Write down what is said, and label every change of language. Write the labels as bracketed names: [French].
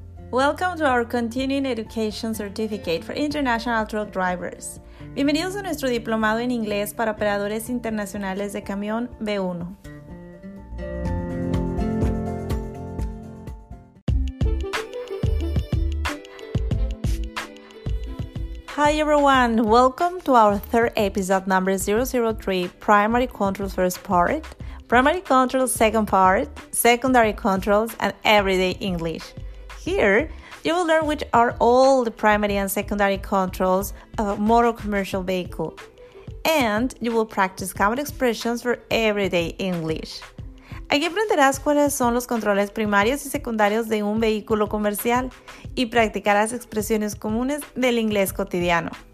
[English] Welcome to our Continuing Education Certificate for International Truck Drivers. [Spanish] Bienvenidos a nuestro diplomado en inglés para operadores internacionales de camión B1. [English] Hi everyone, welcome to our third episode number 003, Primary Controls First Part, Primary Controls Second Part, Secondary Controls, and Everyday English. Here, you will learn which are all the primary and secondary controls of a motor commercial vehicle. And you will practice common expressions for everyday English. [Spanish] Aquí aprenderás cuáles son los controles primarios y secundarios de un vehículo comercial y practicarás expresiones comunes del inglés cotidiano.